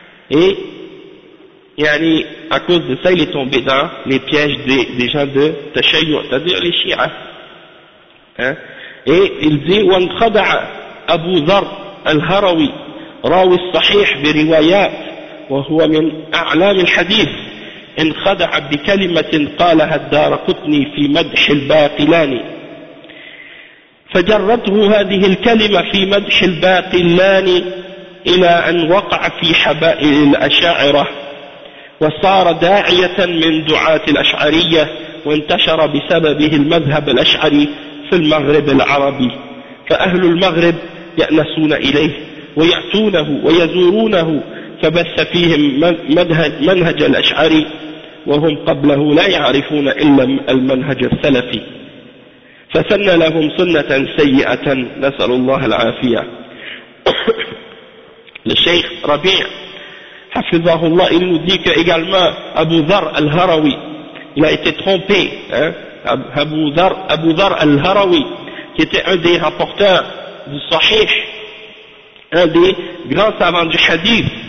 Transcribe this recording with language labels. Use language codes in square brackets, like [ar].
[fr] Et yani, à cause de ça, il est tombé dans les pièges des gens de Tashayyu, c'est-à-dire les Shia. Hein? Et il dit, [ar] « وَانْخَدَعَ أَبُو ذَرْبْ الْهَرَوِي رَوِي الصَّحِيحْ بِرِوَيَاتِ وَهُوَ مِنْ أَعْلَامِ الْحَدِيثِ انْخَدَعَ بِكَلِمَةٍ قَالَهَا الدَّارَ قُتْنِي فِي مَدْحِ الْبَاقِلَانِ فَجَرَّتْهُ هَذِهِ الْكَلِمَةِ فِي مَدْحِ الْبَاقِلَانِ إلى أن وقع في حبائل الأشاعرة وصار داعية من دعاة الأشعرية وانتشر بسببه المذهب الأشعري في المغرب العربي فأهل المغرب يأنسون إليه ويأتونه ويزورونه فبث فيهم منهج الأشعري وهم قبله لا يعرفون إلا المنهج السلفي فسن لهم سنة سيئة نسأل الله العافية. [fr] Le Cheikh Rabi' Hafizahullah, il nous dit qu'également Abu Dhar al-Harawi, il a été trompé, hein, Abu Dhar al-Harawi, qui était un des rapporteurs du Sahih, un des grands savants du Hadith.